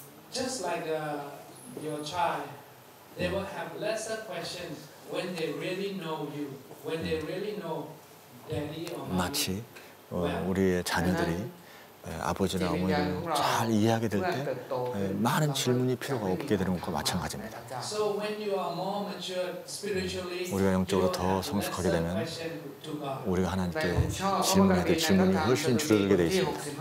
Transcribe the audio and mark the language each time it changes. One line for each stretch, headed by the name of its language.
English: Just like your child, they will have lesser questions when they really know you. When they really know daddy or mommy.
Korean: 마치 우리의 자녀들이 아버지나 어머니를 잘 이해하게 될 때 많은 질문이 필요가 없게 되는 것과 마찬가지입니다.
English: So when you are more mature spiritually,
Korean: 우리가 영적으로 더 성숙하게 되면 우리가 하나님께 질문해야 될 질문이 훨씬 줄어들게 되어 있습니다.